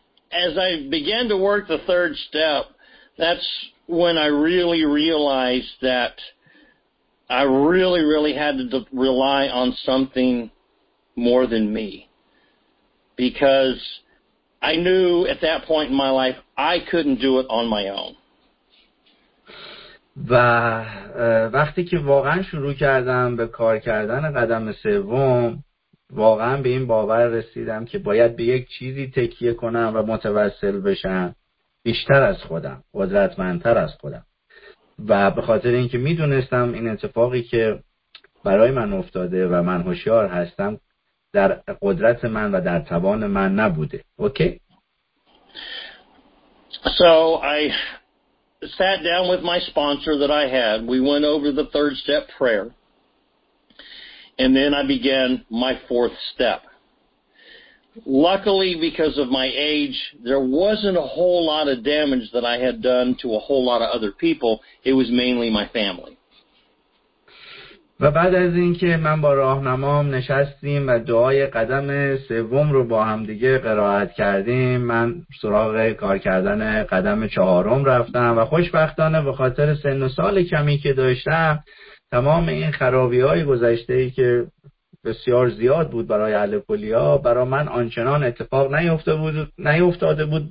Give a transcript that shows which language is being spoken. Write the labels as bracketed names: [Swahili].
[English] As I began to work the third step, that's when I really realized that I really, really had to rely on something more than me. Because I knew at that point in my life, I couldn't do it on my own. [Persian] و وقتی که واقعا شروع کردم به کار کردن قدم سوم، واقعا به این باور رسیدم که باید به یک چیزی تکیه کنم و متوسل بشم بیشتر از خودم، قدرتمندتر از خودم. و به خاطر اینکه میدونستم این اتفاقی که برای من افتاده و من هوشیار هستم در قدرت من و در توان من نبوده. اوکی؟ [English] So I sat down with my sponsor that I had. We went over the third step prayer. And then I began my fourth step. Luckily, because of my age, there wasn't a whole lot of damage that I had done to a whole lot of other people. It was mainly my family. [Persian] و بعد از اینکه من با راهنمام نشستیم و دعای قدم سوم رو با هم دیگه قرائت کردیم، من سراغ کار کردن قدم چهارم رفتم و خوشبختانه به خاطر سن و سال کمی که داشتم، تمام این خرابی‌های گذشته‌ای که بسیار زیاد بود برای اهل کلیا، برای من آنچنان اتفاق نیفتاده بود.